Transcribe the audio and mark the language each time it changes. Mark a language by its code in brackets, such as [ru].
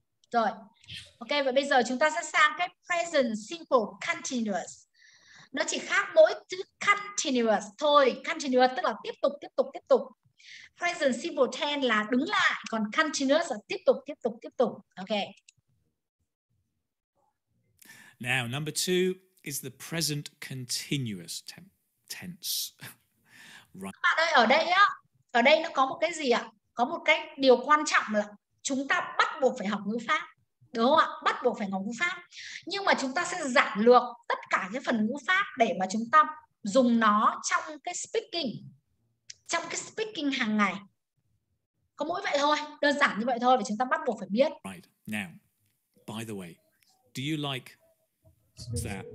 [vi] Rồi, ok, và bây giờ chúng ta sẽ sang cái present simple continuous. Nó chỉ khác mỗi chữ continuous thôi. Continuous tức là tiếp tục. Present simple tense là đứng lại, còn continuous là tiếp tục. Ok. [en] Now, number two is the present continuous tense. Right. [vi] Bạn ơi, ở đây nó có một cái gì ạ? Có một cái điều quan trọng là chúng ta bắt buộc phải học ngữ pháp. Đúng không ạ? Bắt buộc phải học ngữ pháp. Nhưng mà chúng ta sẽ giản lược tất cả cái phần ngữ pháp để mà chúng ta dùng nó trong cái speaking. Trong cái speaking hàng ngày. Có mỗi vậy thôi. Đơn giản như vậy thôi. Và chúng ta bắt buộc phải biết. [en] Right. Now, by the way, do you like that?